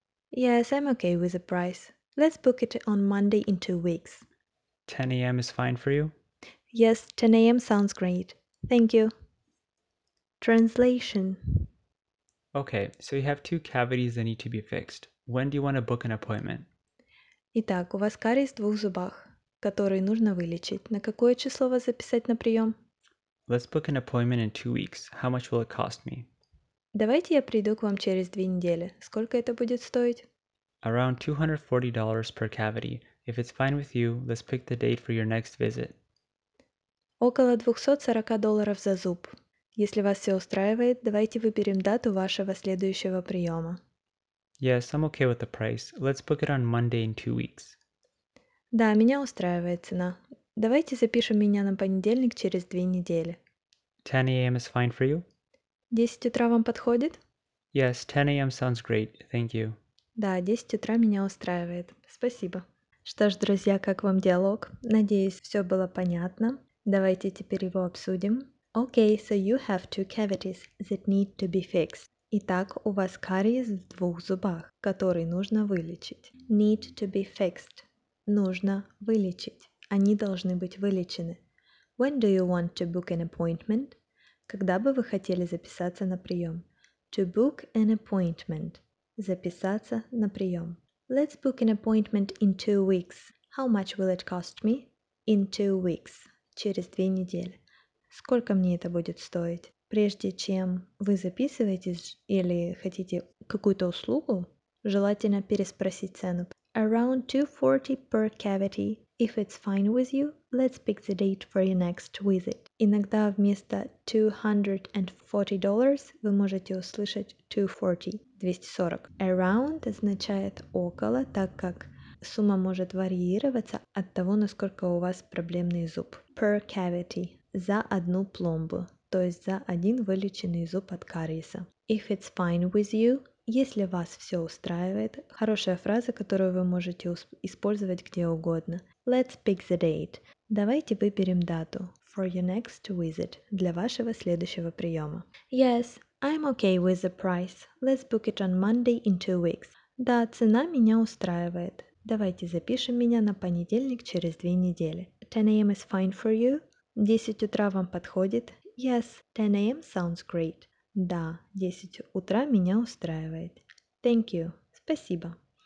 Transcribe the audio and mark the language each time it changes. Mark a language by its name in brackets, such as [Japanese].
[English] Yes, I'm okay with the price. Let's book it on Monday in 2 weeks. 10 a.m. is fine for you? Yes, 10 a.m. sounds great. Thank you. Translation. Okay, so you have two cavities that need to be fixed. When do you want to book an appointment? [Russian] Итак, у вас кариес в двух зубах, который нужно вылечить. На какое число вас записать на прием? [English] Let's book an appointment in 2 weeks. How much will it cost me? [Russian] Давайте я приду к вам через 2 недели. Сколько это будет стоить? [English] Around $240 per cavity. If it's fine with you, let's pick the date for your next visit. [Russian] Около $240 за зуб. Если вас все устраивает, давайте выберем дату вашего следующего приема. [English] Yes, I'm okay with the price. Let's book it on Monday in 2 weeks. [Russian] Да, меня устраивает цена. Давайте запишем меня на понедельник через 2 недели. [English] 10 a.m. is fine for you? [Russian] 10 утра вам подходит? [English] Yes, 10 a.m. sounds great. Thank you. [Russian] Да, 10 утра меня устраивает. Спасибо. Что ж, друзья, как вам диалог? Надеюсь, все было понятно. Давайте теперь его обсудим. [English] Okay, so you have two cavities that need to be fixed. [Russian] Итак, у вас кариес в двух зубах, который нужно вылечить. [English] Need to be fixed. [Russian] Нужно вылечить. Они должны быть вылечены. [English] When do you want to book an appointment? [Russian] Когда бы вы хотели записаться на прием? [English] To book an appointment. [Russian] Записаться на прием. [English] Let's book an appointment in 2 weeks. How much will it cost me? In 2 weeks. [Russian] Через 2 недели. Сколько мне это будет стоить? Прежде чем вы записываетесь или хотите какую-то услугу, желательно переспросить цену. [English] Around $240 per cavity. If it's fine with you, let's pick the date for your next visit. [Russian] Иногда вместо $240 вы можете услышать $240. Around означает около, так как сумма может варьироваться от того, насколько у вас проблемный зуб. [English] Per cavity. [Russian] За одну пломбу, то есть за один вылеченный зуб от кариеса. [English] If it's fine with you. [Russian] Если вас все устраивает, хорошая фраза, которую вы можете использовать где угодно. [English] Let's pick the date. [Russian] Давайте выберем дату. [English] For your next visit. [Russian] Для вашего следующего приема. [English] Yes, I'm okay with the price. Let's book it on Monday in 2 weeks. [Russian] Да, цена меня устраивает. Давайте запишем меня на понедельник через 2 недели. [English] 10 a.m. is fine for you. [Russian] 10 утра вам подходит? [English] Yes, 10 a.m. sounds great. [Russian] Да, 10 утра меня устраивает. [English] Thank you. [Russian] Спасибо.